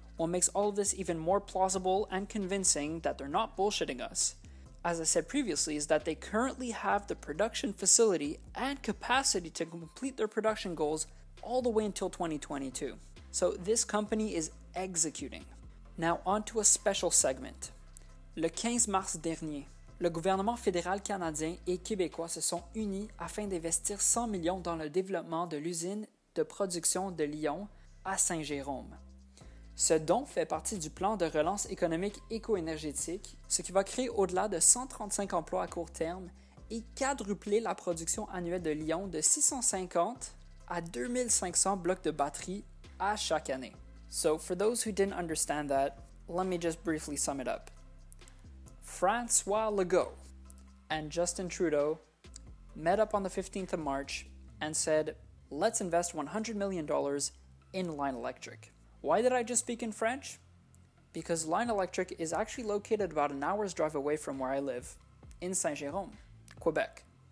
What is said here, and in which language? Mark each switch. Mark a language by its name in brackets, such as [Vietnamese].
[English] What makes all of this even more plausible and convincing that they're not bullshitting us, as I said previously, is that they currently have the production facility and capacity to complete their production goals all the way until 2022. So this company is executing. Now on to a special segment. [French] Le 15 mars dernier, le gouvernement fédéral canadien et québécois se sont unis afin d'investir 100 millions dans le développement de l'usine de production de Lyon à Saint-Jérôme. Ce don fait partie du plan de relance économique éco-énergétique, ce qui va créer au-delà de 135 emplois à court terme et quadrupler la production annuelle de Lyon de 650 à 2500 blocs de batterie à chaque année. [English] So, for those who didn't understand that, let me just briefly sum it up. François Legault and Justin Trudeau met up on the 15th of March and said, let's invest $100 million in Lion Electric. Why did I just speak in French? Because Lion Electric is actually located about an hour's drive away from where I live, in Saint-Jérôme, Quebec.